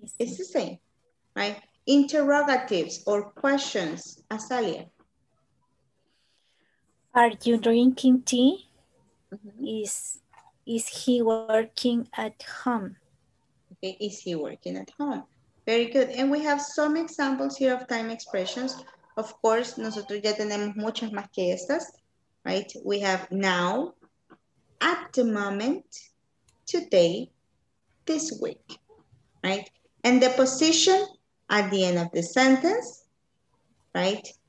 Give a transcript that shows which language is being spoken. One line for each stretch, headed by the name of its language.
English: It's the same. Right? Interrogatives or questions. Azalia. Are you drinking tea? Mm-hmm. Is he working at home? Okay, is he working at home? Very good. And we have some examples here of time expressions. Of course,
Spanish: nosotros ya tenemos muchas más que estas, right?
English: We have now, at the moment, today, this week, right? And the position at the end of the sentence, right?